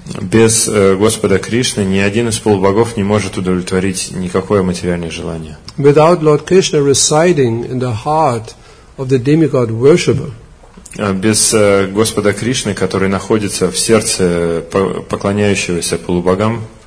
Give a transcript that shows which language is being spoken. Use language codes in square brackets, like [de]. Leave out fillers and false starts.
[ru] Без Господа Кришны ни один из полубогов не может удовлетворить никакое материальное желание. [en] Without Lord Krishna residing in the heart of the demigod worshiper. [ru] Без Господа Кришны, который находится в сердце поклоняющегося полубогам,